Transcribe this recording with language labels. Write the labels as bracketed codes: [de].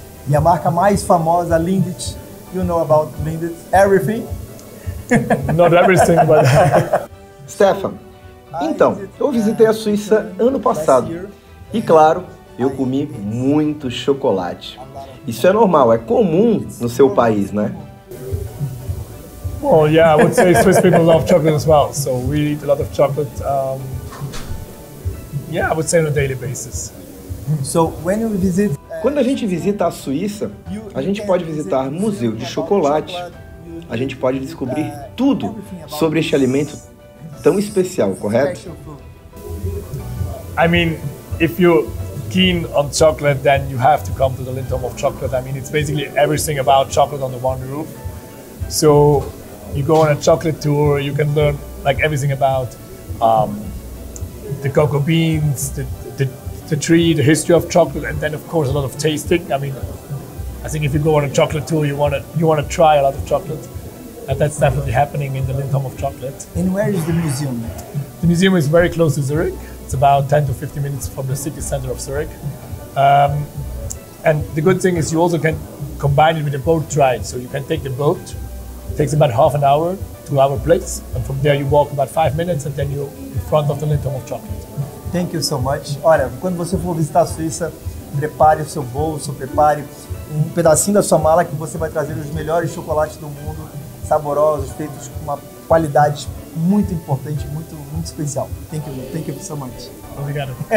[pt] E a marca mais famosa, Lindt. [en] You know about Lindt? Everything? Not everything, but... [pt] Stefan, então, eu visitei a Suíça ano passado. E claro, eu comi muito chocolate. Isso é normal, é comum no seu país, né? [en] Well, yeah, I would say Swiss people love chocolate as well. So we eat a lot of chocolate. Yeah, I would say on a daily basis. So when we visit, [pt] quando a gente visita a Suíça, a gente pode visitar museu de chocolate. A gente pode descobrir tudo sobre este alimento tão especial, correto? [en] I mean, if you're keen on chocolate, then you have to come to the Lindt Home of Chocolate. I mean, it's basically everything about chocolate on the one roof. So you go on a chocolate tour, you can learn like everything about the cocoa beans, the tree, the history of chocolate, and then of course a lot of tasting. I mean, I think if you go on a chocolate tour, you want to try a lot of chocolate, and that's definitely happening in the Lindt Home of Chocolate. And where is the museum? The museum is very close to Zurich. It's about 10 to 15 minutes from the city center of Zurich. And the good thing is you also can combine it with a boat ride. So you can take the boat, it takes about half an hour to our place, and from there you walk about 5 minutes and then you're in front of the Lindt Home of Chocolate. Thank you so much. [pt] Olha, quando você for visitar a Suíça, prepare o seu bolso, prepare um pedacinho da sua mala que você vai trazer os melhores chocolates do mundo, saborosos, feitos com uma qualidade muito importante, muito, muito especial. [en] Thank you so much. [pt] Obrigado.